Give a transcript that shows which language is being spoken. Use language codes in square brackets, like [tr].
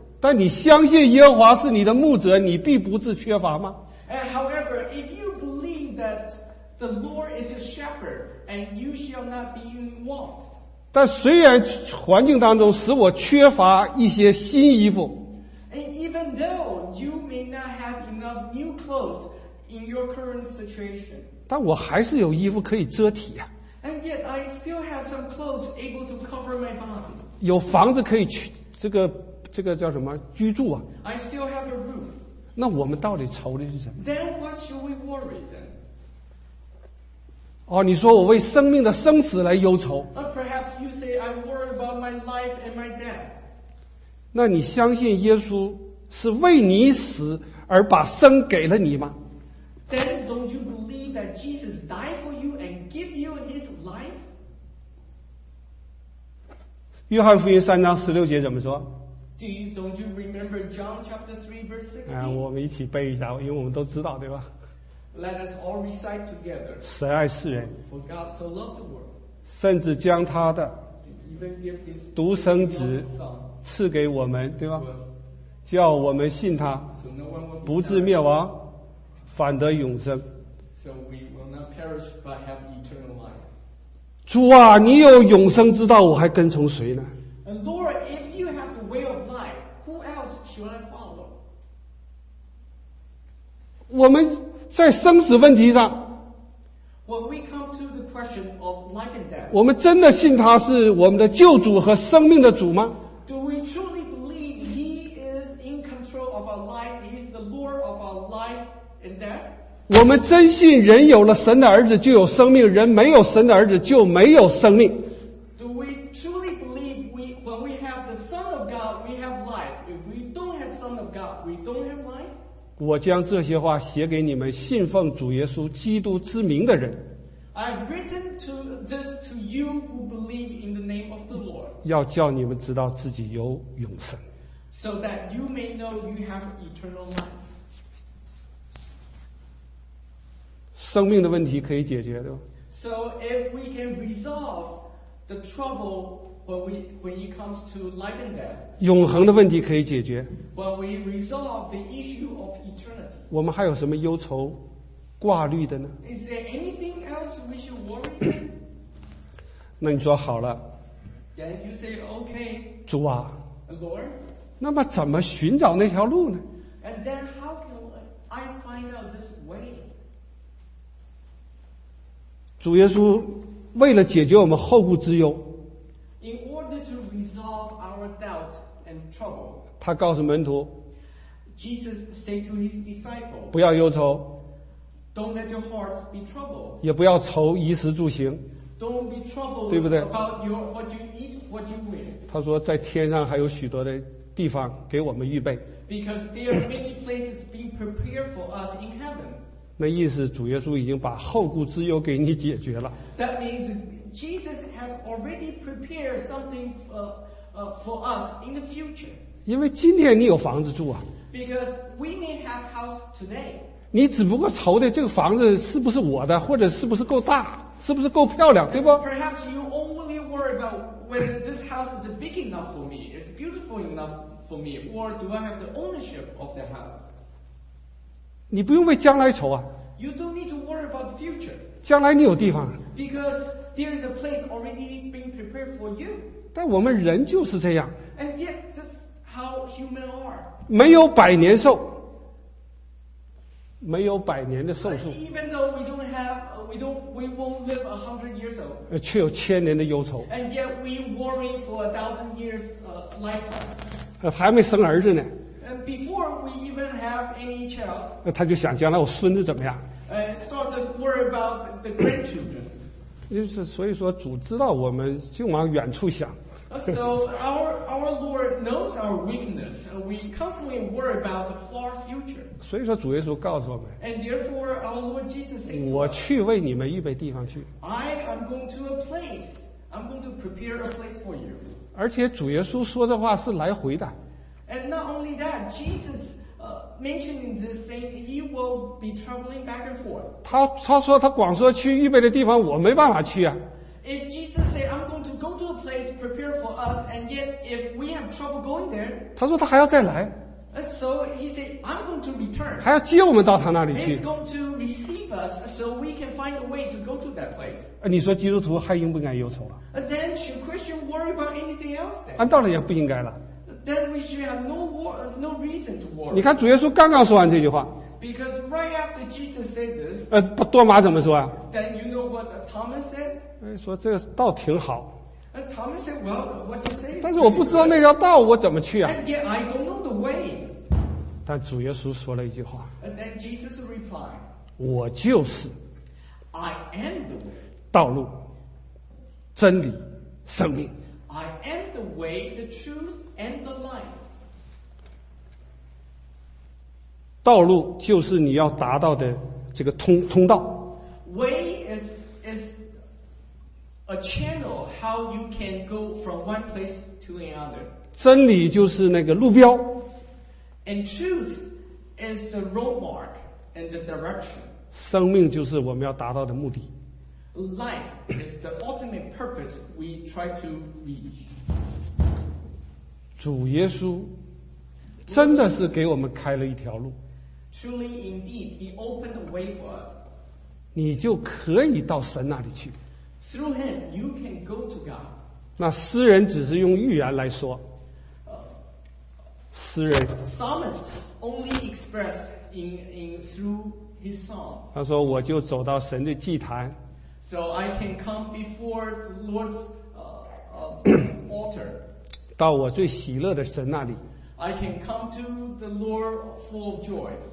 [zh] 但你相信耶和华是你的牧者，你必不致缺乏吗 [en] ？And however, if you believe that the Lord is your shepherd, and you shall not be in want. [zh] 但虽然环境当中使我缺乏一些新衣服 [en] ，And even though you may not have enough new clothes in your current situation. [zh] 但我还是有衣服可以遮体呀、啊。 [en] And yet I still have some clothes able to cover my body. [zh] 有房子可以去这个叫什么居住啊。 [en] I still have a roof. [zh] 那我们到底愁的是什么 [en] ？Then what should we worry then? [zh] 哦，你说我为生命的生死来忧愁。 [en] Perhaps you say I worry about my life and my death. [zh] 那你相信耶稣是为你死而把生给了你吗 [en] ？Then don't you believe that Jesus died for you and give you His life? [zh] 约翰福音三章十六节怎么说 [en] ？Don't you remember John chapter 3 verse 16？ [zh] 我们一起背一下，因为我们都知道，对吧 [en] ？Let us all recite together. [zh] 神爱世人 [en] ，For God so loved the world， [zh] 甚至将他的 [en] even give his [zh] 独生子赐给我们，对吧？叫我们信他，不至灭亡，反得永生。 [en] So we will not perish but have eternal life. [zh] 主啊，你有永生之道，我还跟从谁呢 [en] ？Lord, if you have the way of life, who else should I follow? [zh] 我们在生死问题上 [en] When we come to the question of life and death, [zh] 我们真的信他是我们的救主和生命的主吗？ [en] Do we truly believe he is in control of our life? He is the Lord of our life and death? [zh] 我们真信人有了神的儿子就有生命，人没有神的儿子就没有生命。 [en] Do we truly believe we, when we have the Son of God, we have life? If we don't have Son of God, we don't have life? [zh] 我将这些话写给你们信奉主耶稣基督之名的人。 [en] I've written to this to you who believe in the name of the Lord. [zh] 要叫你们知道自己有永生。 [en] So that you may know you have eternal life. [zh] 生命的问题可以解决的。 [en] So if we can resolve the trouble when it comes to life and death. [zh] 永恒的问题可以解决。 [en] When we resolve the issue of eternity. [zh] 我们还有什么忧愁挂虑的呢？ [en] Is there anything else we should worry? [zh] 那你说好了。 [en] Then you say, okay. [zh] 主啊。 [en] Lord. [zh] 那么怎么寻找那条路呢？ [en] And then how can I find out this way? [zh] 主耶稣为了解决我们后顾之忧， [en] In order to resolve our doubt and trouble, [zh] 他告诉门徒， [en] Jesus said to his disciples, [zh] 不要忧愁， [en] Don't let your hearts be troubled, [zh] 也不要愁衣食住行， [en] Don't be troubled, [zh] 对不对？ [en] About your, what you eat, what you wear. [zh] 他说在天上还有许多的地方给我们预备， [en] Because there are many places being prepared for us in heaven. [zh] 那意思主耶稣已经把后顾之忧给你解决了。 [en] That means,Jesus has already prepared something for us in the future. [zh] 因为今天你有房子住啊。 [en] Because we may have house today. [zh] 你只不过愁的这个房子是不是我的，或者是不是够大，是不是够漂亮，对不？ [en] Perhaps you only worry about whether this house is big enough for me, is beautiful enough for me, or do I have the ownership of the house? [zh] 你不用为将来愁啊。 [en] You don't need to worry about the future. [zh] 将来你有地方。 [en] Because there is a place already being prepared for you. [zh] 但我们人就是这样。 [en] And yet, that's how human are. [zh] 没有百年寿，没有百年的寿数。 [en] But even though we don't have, we won't live 100 years old. [zh] 却有千年的忧愁。 [en] And yet we worry for 1,000 years lifetime. [zh] 还没生儿子呢。 [en] Before we even have any child. [zh] 他就想将来我孙子怎么样。 [en] Start to worry about the grandchildren. [zh] 就是所以说主知道我们就往远处想。 [en] So our Lord knows our weakness. We constantly worry about the far future. [zh] 所以说主耶稣告诉我们。 [en] And therefore our Lord Jesus said, [zh] 我去为你们预备地方去。 [en] I am going to a place. I'm going to prepare a place for you. [zh] 而且主耶稣说这话是来回的。 [en] And not only that, Jesus mentioning this, saying he will be traveling back and forth. [zh] 他说他光说去预备的地方，我没办法去啊。 [en] If Jesus said I'm going to go to a place prepared for us, and yet if we have trouble going there, [zh] 他说他还要再来。 [en] So he said I'm going to return. [zh] 还要接我们到他那里去。 [en] He's going to receive us, so we can find a way to go to that place. [zh] 你说基督徒还应不应该忧愁了？ [en] Then should Christian worry about anything else? Then? [zh] 按道理也不应该了。 [en] Then we should have no reason to worry. [zh] 你看主耶稣刚刚说完这句话。 [en] Because right after Jesus said this, [zh] 多马怎么说啊？ [en] Then you know what Thomas said? [zh] 说这个道挺好。 [en] And Thomas said, well, what you say? [zh] 但是我不知道那条道我怎么去啊。 [en] And yet I don't know the way. [zh] 但主耶稣说了一句话。 [en] And then Jesus replied, [zh] 我就是。 [en] I am the way. [zh] 道路、真理、生命。 [en] I am the way, the truth, and the life. [zh] 道路就是你要达到的这个 通道。 [en] Way is a channel how you can go from one place to another. [zh] 真理就是那个路标。 [en] And truth is the road mark and the direction. [zh] 生命就是我们要达到的目的。 [en] Life is the ultimate purpose we try to reach. [zh] 主耶稣真的是给我们开了一条路。 [en] Truly indeed, he opened a way for us. [zh] 你就可以到神那里去。 [en] Through him, you can go to God. [zh] 那诗人只是用预言来说。诗人。 [en] Psalmist only expressed through his song. [zh] 他说我就走到神的祭坛。 [en] So I can come before the Lord's altar. [zh] 到我最喜乐的神那里。 [en] I can come to the Lord full of joy.